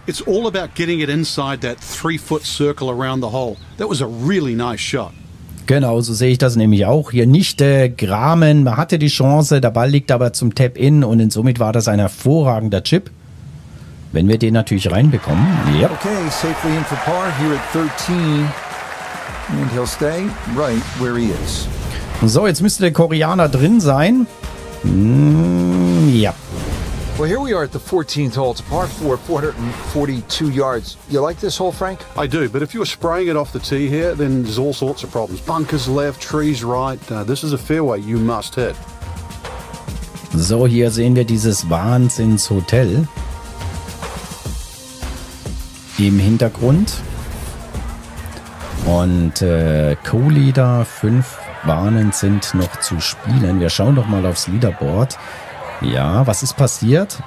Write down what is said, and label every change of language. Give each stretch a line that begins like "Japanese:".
English: It's all about getting it inside that 3-foot circle around the hole. That was a really nice shot.
German: Genau, so sehe ich das nämlich auch. Hier nicht Gramen. Man hatte die Chance, der Ball liegt aber zum Tap-In und somit war das ein hervorragender Chip. Wenn wir den natürlich reinbekommen.
English: Yep. Okay, safely in for par here at 13. And he'll stay right where he is.
German: So, jetzt müsste der Koreaner drin sein. Ja.
English: Well, here we are at the 14th hole. It's par 4, 442 yards. You like this hole, Frank? I do, but if you were spraying it off the tee here, then there's all sorts of problems. Bunkers left, trees right. This is a fairway you must hit.
German: So, hier sehen wir dieses Wahnsinnshotel. Im Hintergrund. Und Co-Leader, 5 Bahnen sind noch zu spielen. Wir schauen doch mal aufs Leaderboard. Ja, was ist passiert?